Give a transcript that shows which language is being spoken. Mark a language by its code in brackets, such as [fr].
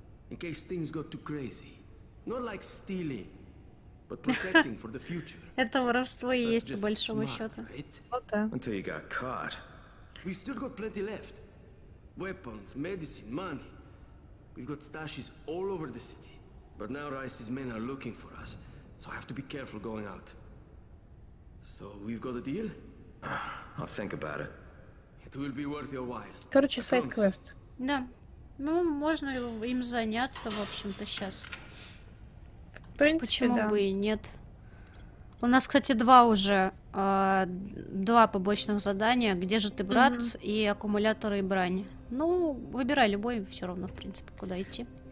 [en] In case things got too crazy. Not like stealing, but protecting for the future. [ru] Это воровство и есть по большому счету. [en] Until you got caught. We still got plenty left. Weapons, medicine, money. We've got stashes all over the city. But now Rice's men are looking for us, so I have to be careful going out. So we've got a deal? I'll think about it. It will be worth your while. [ru] Короче, сайт квест. Да. Ну, можно им заняться, в общем-то, сейчас. В принципе, почему да. бы и нет? У нас, кстати, два уже, два побочных задания. Где же ты, брат, и аккумуляторы, и брань. Ну, выбирай любой, все равно, в принципе, куда идти.